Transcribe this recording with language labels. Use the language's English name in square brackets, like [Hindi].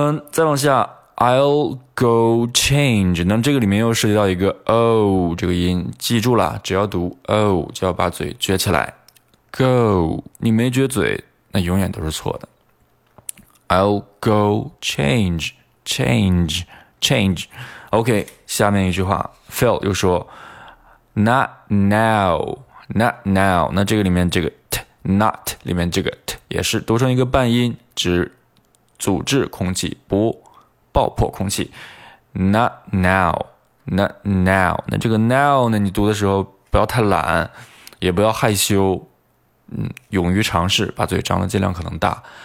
[Chinese] 再往下 [English] I'll go change， [Chinese] 那这个里面又涉及到一个 o 这个音，记住了，只要读 o 就要把嘴撅起来， go， 你没撅嘴那永远都是错的。 [English] I'll go change, change, change. OK, [Chinese] 下面一句话 [English] ,Phil [Chinese] 又说 [English] ,not now, not now. [Chinese] 那这个里面这个 t, not 里面这个 t, 也是读成一个半音，只阻滞空气，不爆破空气。 [English] not now, not now. [Chinese] 那这个 now 呢，你读的时候不要太懒，也不要害羞，勇于尝试，把嘴张得尽量可能大。